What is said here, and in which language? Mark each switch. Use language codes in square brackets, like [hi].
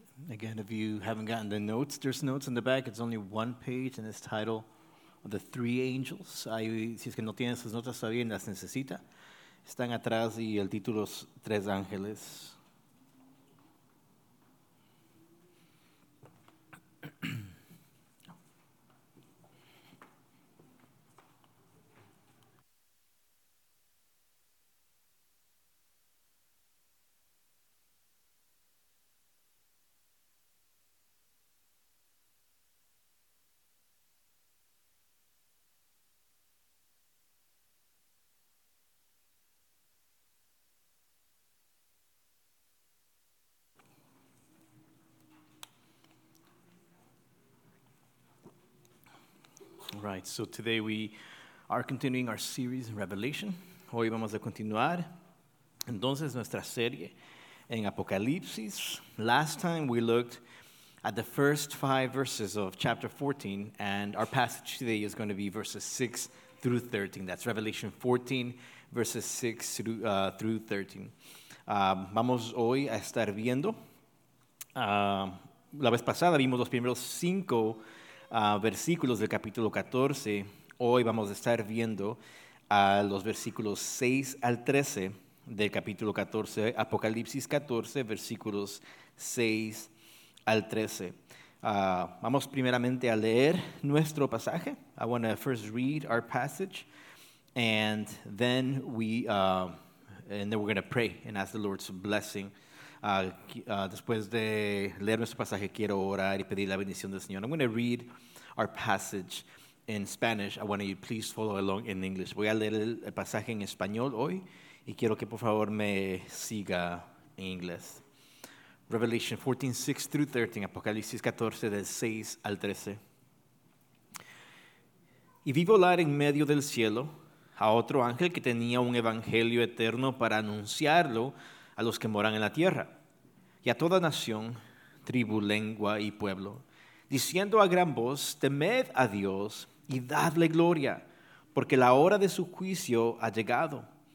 [en] Again, if you haven't gotten the notes, there's notes in the back. It's only one page, and it's titled The Three Angels. [es] Ahí, si es que no tienen sus notas todavía, las necesita. Están atrás y el título es Tres Ángeles. [en] Right, so today we are continuing our series in Revelation. [es] Hoy vamos a continuar entonces nuestra serie en Apocalipsis. [en] Last time we looked at the first five verses of chapter 14, and our passage today is going to be verses 6 through 13. That's Revelation 14, verses 6 through 13. [es] Vamos hoy a estar viendo. La vez pasada vimos los primeros cinco versículos del capítulo 14. Hoy vamos a estar viendo los versículos 6 al 13 del capítulo 14, Apocalipsis 14, versículos 6 al 13. Vamos primeramente a leer nuestro pasaje. [en] I want to first read our passage, and then we're going to pray and ask the Lord's blessing. [es] Después de leer nuestro pasaje, quiero orar y pedir la bendición del Señor. [en] I'm going to read our passage in Spanish. I want you to please follow along in English. [es] Voy a leer el pasaje en español hoy y quiero que por favor me siga en inglés. [en] Revelation 14, 6 through 13, [es] Apocalipsis 14, del 6 al 13. Y vi volar en medio del cielo a otro ángel que tenía un evangelio eterno para anunciarlo a los que moran en la tierra y a toda nación, tribu, lengua y pueblo, diciendo a gran voz, temed a Dios y dadle gloria, porque la hora de su juicio ha llegado.